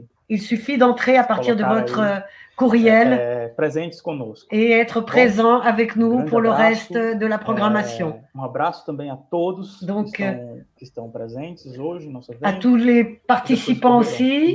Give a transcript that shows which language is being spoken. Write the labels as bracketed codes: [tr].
[fr] Il suffit d'entrer à partir de votre courriel [pt] présentes conosco. [fr] Et être présent avec nous pour le reste de la programmation. [pt] Um abraço também a todos que estão presentes hoje, nossa [fr] vez. À tous les participants aussi.